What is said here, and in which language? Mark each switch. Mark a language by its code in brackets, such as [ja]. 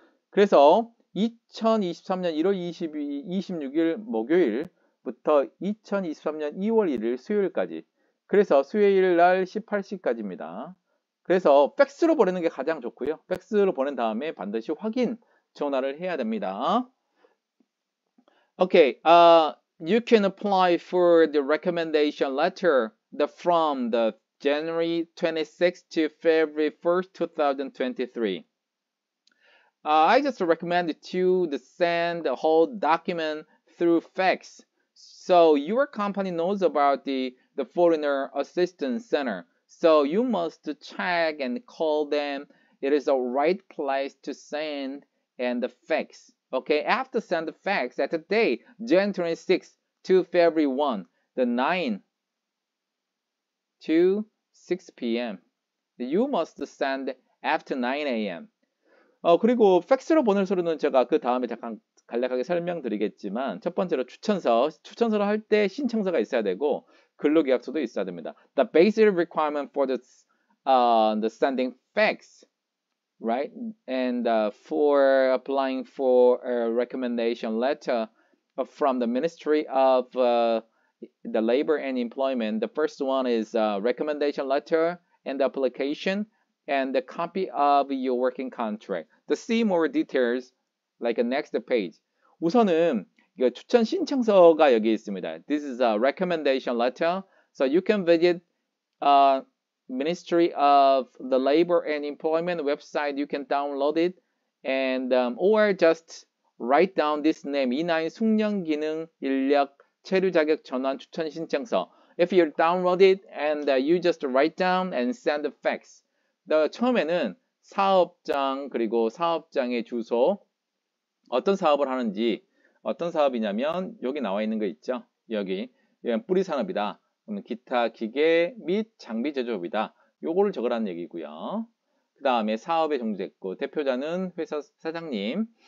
[ko] 그래서 2023년 1월 26일 목요일부터 2023년 2월 1일 수요일까지, 그래서 수요일 날 18시까지입니다. 그래서 팩스로 보내는 게 가장 좋고요. 팩스로 보낸 다음에 반드시 확인 전화를 해야 됩니다. [en] Okay, you can apply for the recommendation letter from the January 26th to February 1st, 2023. I just recommend you to send the whole document through fax, so your company knows about the Foreigner Assistance Center. So you must check and call them. It is the right place to send and the fax. Okay, after send the fax at the day, January 26th to February 1, the 9 to 6 p.m. You must send after 9 a.m. [ko] 그리고 팩스로 보낼 서류는 제가 그 다음에 잠깐 간략하게 설명드리겠지만, 첫 번째로 추천서를 할 때 신청서가 있어야 되고, 근로계약서도 있어야 됩니다. [en] The basic requirement for the sending fax, right? And for applying for a recommendation letter from the Ministry of the Labor and Employment. The first one is a recommendation letter and application and the copy of your working contract. To see more details, like next page. [ko] 우선은 이거 추천 신청서가 여기 있습니다. [en] This is a recommendation letter. So you can visit Ministry of the Labor and Employment website. You can download it. And or just write down this name. [ko] E9 숙련 기능 인력 체류 자격 전환 추천 신청서. [en] If you download it and you just write down and send the fax. [ko] 처음에는 사업장, 그리고 사업장의 주소, 어떤 사업을 하는지, 어떤 사업이냐면 여기 나와 있는 거 있죠. 여기 뿌리 산업이다. 그러면 기타 기계 및 장비 제조업이다. 요거를 적으라는 얘기고요. 그다음에 사업의 종주됐고 대표자는 회사 사장님.